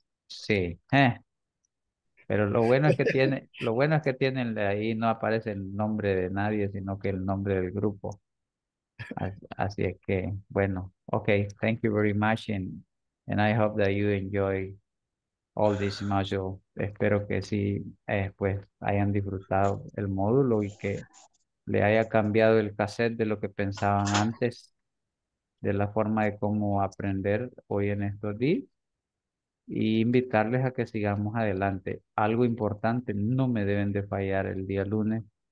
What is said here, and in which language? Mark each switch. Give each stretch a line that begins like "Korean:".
Spanish: Sí, pero lo bueno es que tiene, lo bueno es que tienen ahí no aparece el nombre de nadie, sino que el nombre del grupo. Así es que, bueno,
English: okay, thank you very much, and I hope that you enjoy all this module.
Spanish: Espero que sí, pues hayan disfrutado el módulo y que le haya cambiado el cassette de lo que pensaban antes, de la forma de cómo aprender hoy en estos días. Y invitarles a que sigamos adelante. Algo importante, no me deben de fallar el día lunes.